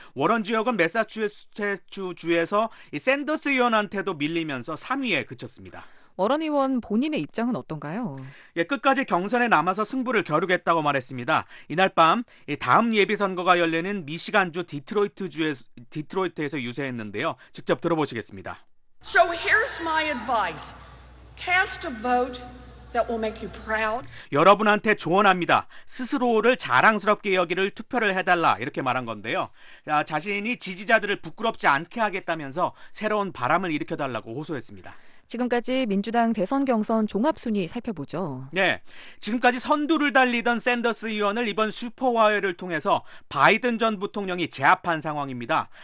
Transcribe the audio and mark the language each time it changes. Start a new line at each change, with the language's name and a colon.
Korean: 워런 지역은 매사추세츠주에서 샌더스 의원한테도 밀리면서 3위에 그쳤습니다. 워런 의원 본인의 입장은 어떤가요? 예, 끝까지 경선에 남아서 승부를 겨루겠다고 말했습니다. 이날 밤 다음 예비선거가 열리는 미시간주 디트로이트에서 유세했는데요. 직접 들어보시겠습니다.
English: So here's my advice. Cast a vote that will make you proud.
Korean: 여러분한테 조언합니다. 스스로를 자랑스럽게 여기를 투표를 해달라 이렇게 말한 건데요. 자신이 지지자들을 부끄럽지 않게 하겠다면서 새로운 바람을 일으켜달라고 호소했습니다. 지금까지 민주당 대선 경선 종합순위 살펴보죠. 네, 지금까지 선두를 달리던 샌더스 의원을 이번 슈퍼화요일을 통해서 바이든 전 부통령이 제압한 상황입니다.